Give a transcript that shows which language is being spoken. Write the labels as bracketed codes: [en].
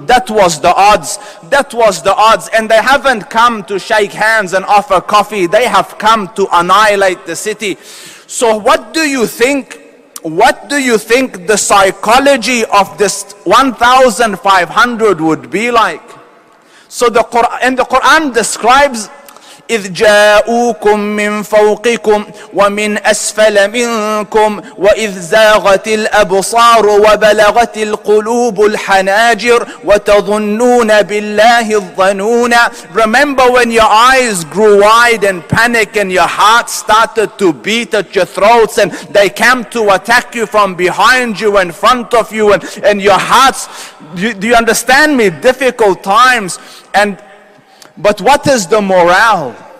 [en] That was the odds. That was the odds. And they haven't come to shake hands and offer coffee. They have come to annihilate the city. So what do you think? What do you think the psychology of this 1,500 would be like? So the Quran, and the Quran describes, [ar] إِذْ جَاءُوكُمْ مِنْ فَوْقِكُمْ وَمِنْ أَسْفَلَ مِنْكُمْ وَإِذْ زَاغَتِ الْأَبْصَارُ وَبَلَغَتِ الْقُلُوبُ الْحَنَاجِرُ وَتَظُنُّونَ بِاللَّهِ الظَّنُونَ. [en] Remember when your eyes grew wide and panic and your heart started to beat at your throats and they came to attack you from behind you and front of you and your hearts, do you understand me? Difficult times. But what is the morale?